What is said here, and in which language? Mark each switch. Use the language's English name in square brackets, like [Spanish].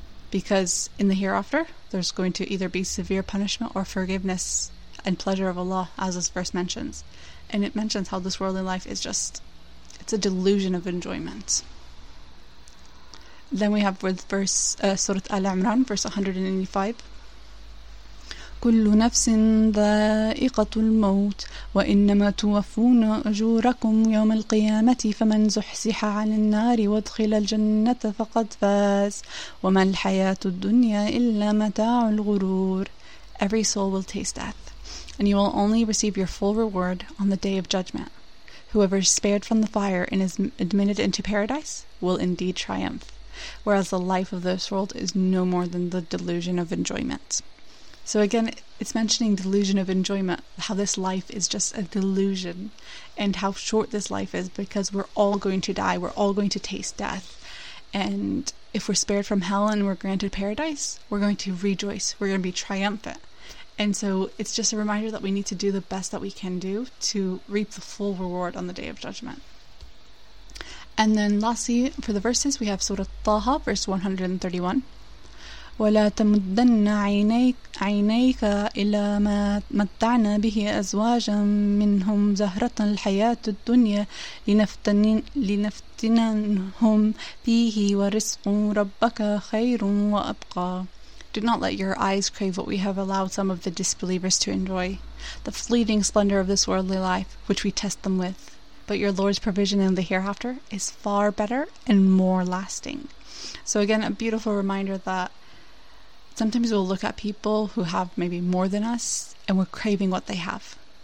[English] Because in the hereafter, there's going to either be severe punishment or forgiveness and pleasure of Allah, as this verse mentions. And it mentions how this worldly life is just, it's a delusion of enjoyment. Then we have with Surah Al-Imran, verse 185. [Arabic] كل نفس ذائقة الموت وإنما توفون أجوركم يوم القيامة فمن زحزح عن النار وادخل الجنة فقد فاز وما الحياة الدنيا إلا متاع الغرور. [English] Every soul will taste death, and you will only receive your full reward on the day of judgment. Whoever is spared from the fire and is admitted into paradise will indeed triumph, whereas the life of this world is no more than the delusion of enjoyment. So again, it's mentioning delusion of enjoyment, how this life is just a delusion, and how short this life is, because we're all going to die, we're all going to taste death. And if we're spared from hell and we're granted paradise, we're going to rejoice, we're going to be triumphant. And so it's just a reminder that we need to do the best that we can do to reap the full reward on the day of judgment. And then lastly, for the verses, we have Surah Taha, verse 131. [Arabic] ولا تمدن عينيك إلى ما متعنا به أزواجا منهم زهرة الحياة الدنيا لنفتنهم فيه ورزق ربك خير وأبقى. [English] Do not let your eyes crave what we have allowed some of the disbelievers to enjoy, the fleeting splendor of this worldly life, which we test them with. But your Lord's provision in the hereafter is far better and more lasting. So again, a beautiful reminder that sometimes we'll look at people who have maybe more than us and we're craving what they have.